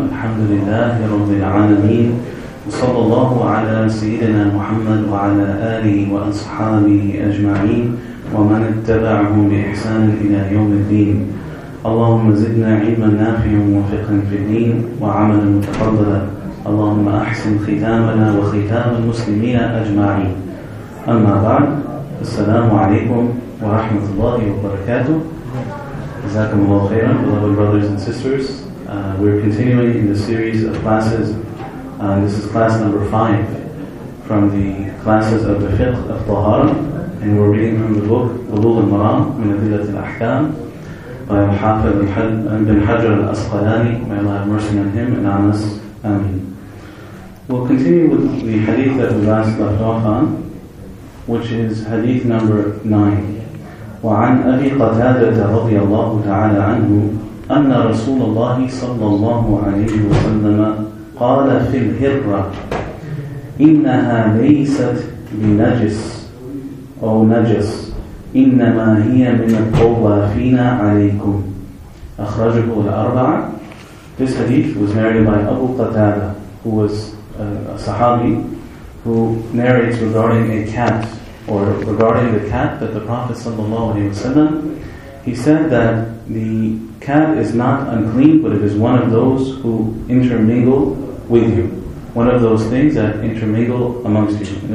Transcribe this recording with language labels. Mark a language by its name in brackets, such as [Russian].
[Arabic] الحمد لله رب العالمين، وصلى الله على سيدنا محمد وعلى آله وأصحابه أجمعين ومن اتبعه بإحسان إلى يوم الدين. اللهم زدنا علما نافعا وفقا في الدين وعملا متفضلا. اللهم أحسن ختامنا وختام المسلمين أجمعين. أما بعد، السلام عليكم ورحمة الله وبركاته. جزاكم الله خيرا. [English] Beloved brothers and sisters, we're continuing in the series of classes. This is class number 5 from the classes of the Fiqh of Tahara, and we're reading from the book Bulugh al-Maram min Adillat al-Ahkam by Al-Hafidh Ibn Hajar al-Asqalani. May Allah have mercy on him and on us. Ameen. We'll continue with the hadith that we last left off on, which is hadith number 9. [Arabic] وعن أبي قتادة رضي الله تعالى عنه أن رسول الله صلى الله عليه وسلم قال في الهرة إنها ليست بنجس أو نجس إنما هي من الطوافين عليكم أخرجه الأربعة. [English] This hadith was narrated by Abu Qatada, who was a Sahabi, who narrates regarding a cat, or regarding the cat that the Prophet ﷺ, he said that the cat is not unclean, but it is one of those who intermingle with you, one of those things that intermingle amongst you.